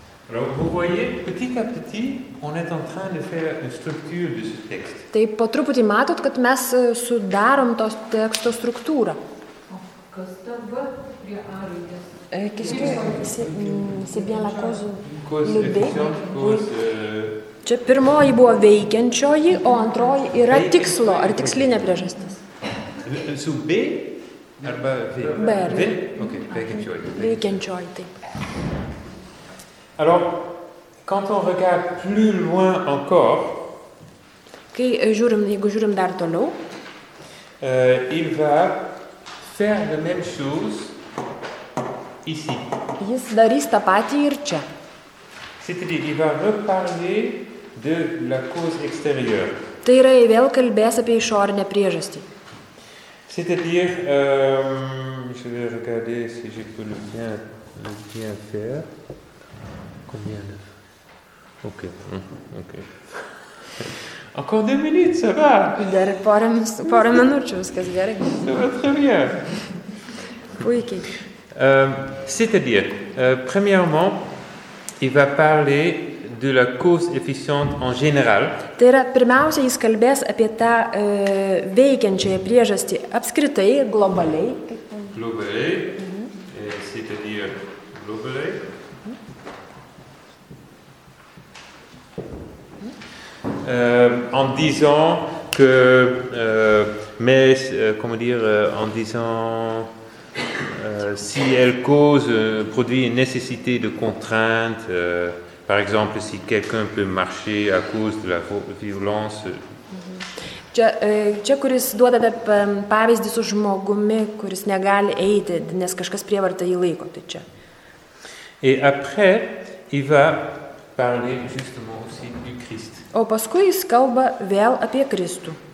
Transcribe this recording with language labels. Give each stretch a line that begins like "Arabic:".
French: Vous voyez, petit à petit, on est en train de faire une structure de ce texte.
Lithuanian: Taip, po truputį matot, kad mes sudarom tos teksto struktūrą. Kas ta va prie arvytės?
French: C'est bien la cause. Cause efficiente, cause...
Lithuanian: Čia pirmoji buvo veikiančioji, o antroji yra tikslo, ar tikslinė priežastis. Su B? Arba V? B. V? Ok, veikiančioji. Veikiančioji, taip.
French: Alors, Quand on regarde plus loin encore,
Lithuanian: kai žiūrim, jeigu žiūrim dar toliau,
French: il va faire la même chose ici.
Lithuanian: Jis darys tą patį ir čia.
French: C'est-à-dire, il va reparler de la cause extérieure.
Lithuanian: Tai yra, jis vėl kalbės apie išorinę priežastį.
French: C'est-à-dire, je vais regarder si je peux le bien faire. Combien de... Ok, ok. Encore deux minutes, ça va.
Lithuanian: Dar porą minučių, viskas gerai.
French: Ça va très bien.
Lithuanian: Puikiai.
French: C'est-à-dire, premièrement, il va parler de la cause efficiente en général.
Lithuanian: Tai yra, pirmiausia, jis kalbės apie tą veikiančią priežastį apskritai, globaliai.
French: Globaliai, c'est-à-dire globaliai. En disant que en disant si elle cause produit une nécessité de contrainte par exemple si quelqu'un peut marcher à cause de la violence
Lithuanian: čia kuris duoda pavyzdį su žmogumi kuris negali eiti nes kažkas prievarta jį laiko tai čia
French: et après il va parler justement aussi du Christ.
Lithuanian: O paskui jis kalba vėl apie Kristų.